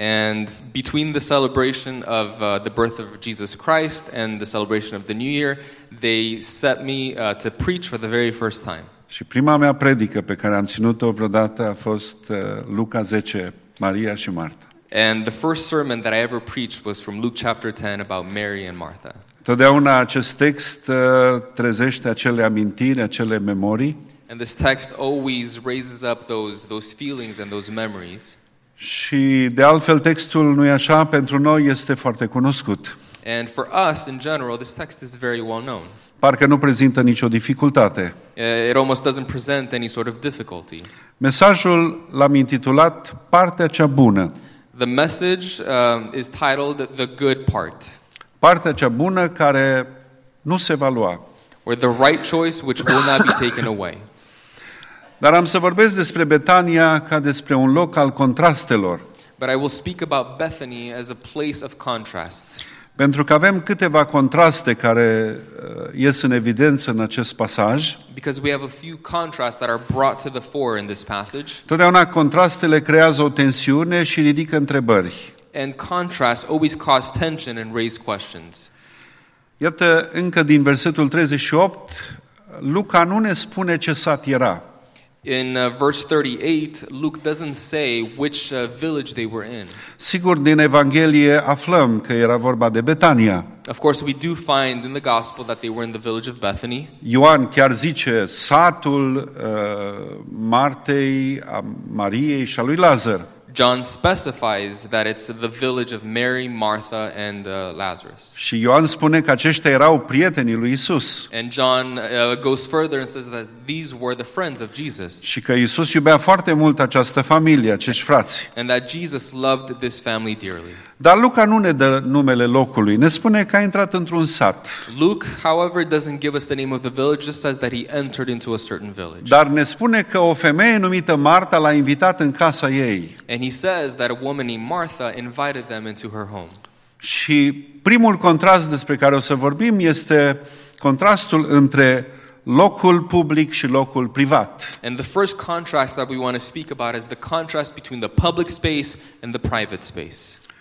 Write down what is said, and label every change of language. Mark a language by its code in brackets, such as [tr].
[en] And between the celebration of the birth of Jesus Christ and the celebration of the New Year, they set me to preach for the very first time. [ro] Și prima mea predică pe care am ținut-o vreodată a fost Luca 10, Maria și Marta. [en] And the first sermon that I ever preached was from Luke chapter 10 about Mary and Martha. [ro] Totdeauna acest text trezește acele amintiri, acele memorii. [en] And this text always raises up those feelings and those memories. [ro] Și de altfel textul nu e așa, pentru noi este foarte cunoscut. [en] And for us in general this text is very well known. [ro] Parcă nu prezintă nicio dificultate. [en] It almost doesn't present any sort of difficulty. [ro] Mesajul l-am intitulat Partea cea bună. [en] The message is titled The Good Part. [ro] Partea cea bună care nu se va lua. [en] Or the right choice which will not be taken away. [ro] Dar am să vorbesc despre Betania ca despre un loc al contrastelor. [en] But I will speak about Bethany as a place of contrasts. [ro] Pentru că avem câteva contraste care ies în evidență în acest pasaj. [en] Because we have a few contrasts that are brought to the fore in this passage. [ro] Totdeauna contrastele creează o tensiune și ridică întrebări. [en] And contrasts always cause tension and raise questions. [ro] Iată, încă din versetul 38, Luca nu ne spune ce sat era. [en] In verse 38, Luke doesn't say which village they were in. [ro] Sigur, din Evanghelie aflăm că era vorba de Betania. [en] Of course, we do find in the Gospel that they were in the village of Bethany. [ro] Ioan chiar zice satul Martei, a Mariei și a lui Lazar. [en] John specifies that it's the village of Mary, Martha, and Lazarus. [ro] Și Ioan spune că aceștia erau prietenii lui Isus. [en] And John goes further and says that these were the friends of Jesus. [ro] Și că Isus iubea foarte mult această familie, acești frați. [en] And that Jesus loved this family dearly. [ro] Dar Luca nu ne dă numele locului, ne spune că a intrat într-un sat. [en] Luke, however, doesn't give us the name of the village, just says that he entered into a certain village. [ro] Dar ne spune că o femeie numită Marta l-a invitat în casa ei. [en] And he says that a woman named Martha invited them into her home. [ro] Și primul contrast despre care o să vorbim este contrastul între locul public și locul privat. [en] And the first contrast that we want to speak about is the contrast between the public space and the private space.